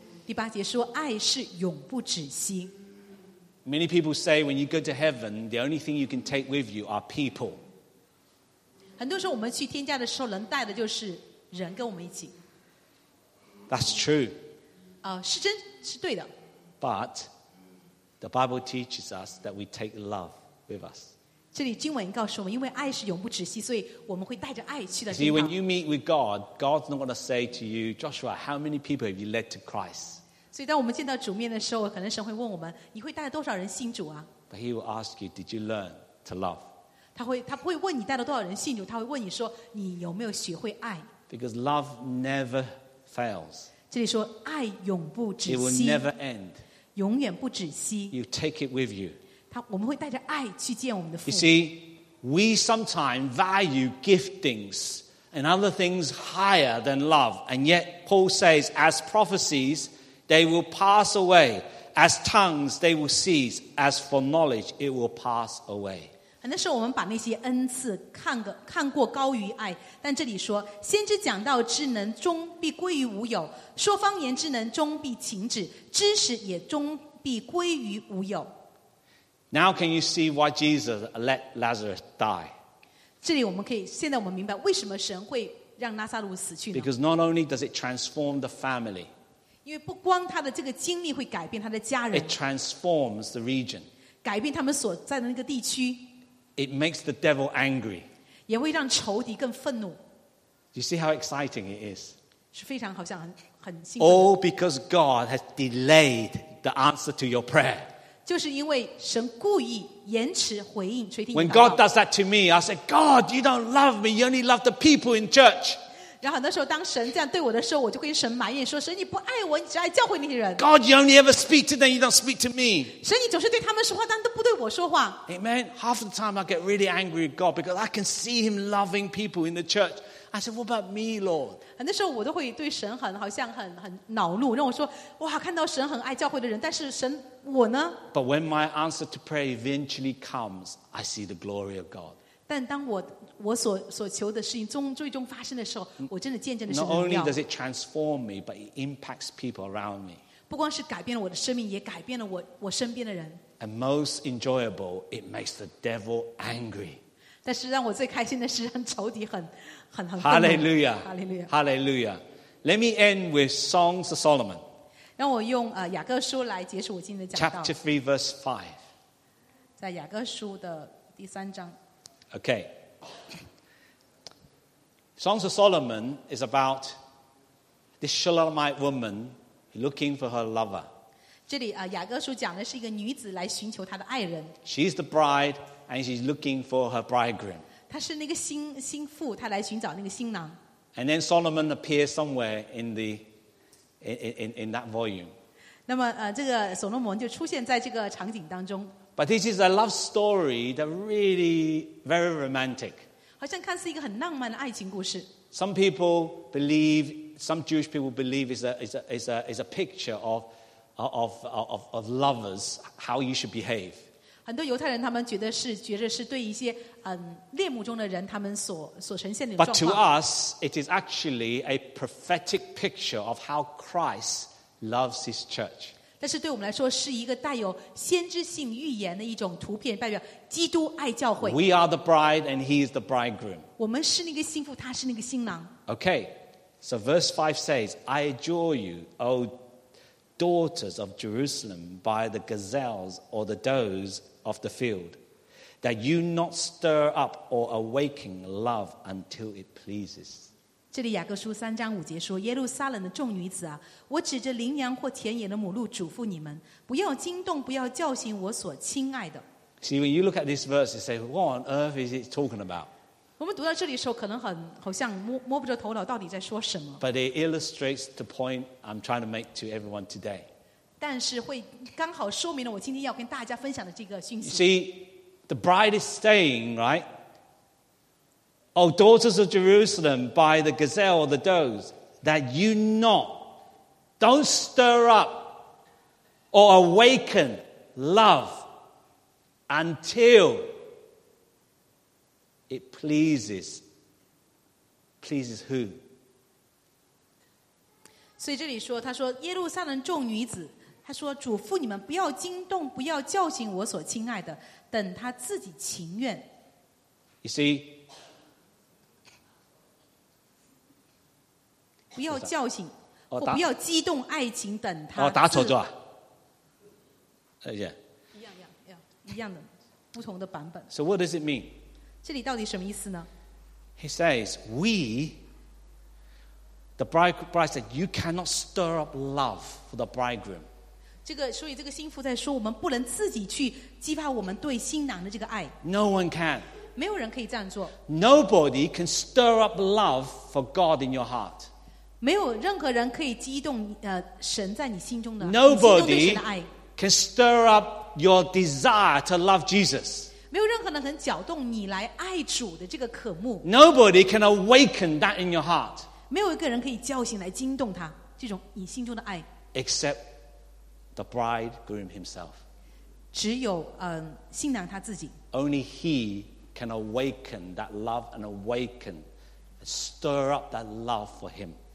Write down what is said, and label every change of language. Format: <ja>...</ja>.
<zh>第八节说爱是永不止息。</zh> <en>Many people say when you go to heaven, the only thing you can take with you are people.</en> <zh>很多时候我们去天家的时候能带的就是人跟我们一起。</zh> <en>That's true.</en> <zh>是真，是对的。</zh> <en>But the Bible teaches us that we take love with us.</en> <zh>这里经文告诉我们，因为爱是永不止息，所以我们会带着爱去的地方。</zh> <en>See, when you meet with God, God's not going to say to you, Joshua, how many people have you led to Christ?</en> <zh>所以当我们见到主面的时候，可能神会问我们，你会带多少人信主啊？</zh> <en>But he will ask you, did you learn to love?</en> <zh>他不会问你带了多少人信主，他会问你说，你有没有学会爱？</zh> <en>Because love never fails.</en> <zh>这里说爱永不止息。</zh> <en>It will never end.</en> <zh>永远不止息。</zh> <en>You take it with you.</en> <zh>我们会带着爱去见我们的父母。</zh> <en>You see, we sometimes value giftings and other things higher than love. And yet, Paul says, as prophecies, they will pass away. As tongues, they will cease. As for knowledge, it will pass away.</en> <zh>那时候我们把那些恩赐看过高于爱。但这里说，先知讲道之能终必归于无有，说方言之能终必停止，知识也终必归于无有。</zh> <en>Now can you see why Jesus let Lazarus die?</en> <zh>这里我们可以，现在我们明白为什么神会让拉萨路死去呢？</zh> <en>Because not only does it transform the family,</en> <zh>因为不光他的这个经历会改变他的家人，</zh> <en>it transforms the region,</en> <zh>改变他们所在的那个地区，</zh> <en>it makes the devil angry,</en> <zh>也会让仇敌更愤怒。</zh> <en>You see how exciting it is?</en> <zh>是非常好像很很兴奋的。</zh> <en>All because God has delayed the answer to your prayer.</en> <zh>就是因为神故意延迟回应垂听祷告。</zh> <en>When God does that to me, I say, God, you don't love me. You only love the people in church.</en> <zh>然后那时候，当神这样对我的时候，我就跟神埋怨说：“神，你不爱我，你只爱教会那些人。”</zh> <en>God, you only ever speak to them. You don't speak to me.</en> <zh>神，你总是对他们说话，但都不对我说话。</zh> <en>Amen. Half the time, I get really angry with God because I can see Him loving people in the church. I said, "What about me, Lord?"</en> <zh>很多时候我都会对神很好像很恼怒，让我说哇，看到神很爱教会的人，但是神我呢</zh> <en>？But when my answer to prayer eventually comes, I see the glory of God.</en> <zh>但当我所求的事情最终发生的时候，我真的见证的是荣耀。</zh> <en>Not only does it transform me, but it impacts people around me.</en> <zh>不光是改变了我的生命，也改变了我身边的人。</zh> <en>And most enjoyable, it makes the devil angry.</en> <zh>但是让我最开心的是让仇敌很愤怒。</zh> <en>Hallelujah, Hallelujah. Let me end with Songs of Solomon.</en> <zh>让我用雅各书来结束我今天的讲道。</zh> <en>Chapter 3, verse 5.</en> <zh>在雅各书的第三章。</zh> <en>Okay. Songs of Solomon is about this Shulamite woman looking for her lover.</en> <zh>这里雅各书讲的是一个女子来寻求她的爱人。</zh> <en>She's the bride. And she's looking for her bridegroom.</en> <zh>她是那个新妇，她来寻找那个新郎。</zh> <en>And then Solomon appears somewhere in that volume.</en> <zh>那么这个所罗门就出现在这个场景当中。</zh> <en>But this is a love story that really very romantic.</en> <zh>好像看似一个很浪漫的爱情故事。</zh> <en>Some people believe, some Jewish people believe is a picture of lovers how you should behave.</en> <zh>很多犹太人他们觉得是对一些恋慕中的人他们所呈现的状况。</zh> <en>But to us, it is actually a prophetic picture of how Christ loves His church.</en> <zh>但是对我们来说是一个带有先知性预言的一种图片，代表基督爱教会。</zh> <en>We are the bride, and He is the bridegroom.</en> <zh>我们是那个新妇，他是那个新郎。</zh> <en>Okay, so verse 5 says, "I adjure you, O." Daughters of Jerusalem, by the gazelles or the does of the field, that you not stir up or awaken love until it pleases.</en> <zh>这里雅各书三章五节说：“耶路撒冷的众女子啊，我指着羚羊或田野的母鹿嘱咐你们，不要惊动，不要叫醒我所亲爱的。”</zh> <en>See, when you look at this verse, you say, "What on earth is it talking about?"</en> <zh>我们读到这里的时候，可能很好像摸不着头脑，到底在说什么。</zh> <en>But it illustrates the point I'm trying to make to everyone today.</en> <zh>但是会刚好说明了我今天要跟大家分享的这个讯息。</zh> <en>You see, the bride is staying, right? O daughters of Jerusalem, by the gazelle or the does, that you not, don't stir up or awaken love until. It pleases who?</en> <zh>所以这里说，他说耶路撒冷众女子，他说嘱咐你们不要惊动，不要叫醒我所亲爱的，等他自己情愿。</zh> <en>You see,</en> <zh>不要叫醒，不要激动爱情，等他。打错字啊？一样的，不同的版本。</zh> <en>So what does it mean?</en> <zh>这里到底什么意思呢</zh> <en>？He says, "We, the bride said, you cannot stir up love for the bridegroom."</en> <zh>这个，所以这个新妇在说，我们不能自己去激发我们对新郎的这个爱。</zh> <en>No one can.</en> <zh>没有人可以这样做。</zh> <en>Nobody can stir up love for God in your heart.</en> <zh>没有任何人可以激动神在你心中的。</zh> <en>Nobody can stir up your desire to love Jesus.</en> <zh>没有任何人能搅动你来爱主的这个渴慕。</zh> <en>Nobody can awaken that in your heart.</en> <zh>没有一个人可以叫醒来惊动他这种你心中的爱。</zh> <en>Except the bridegroom himself.</en> <zh>只有新娘他自己。</zh> <en>Only he can awaken that love and awaken, stir up that love for him.</en>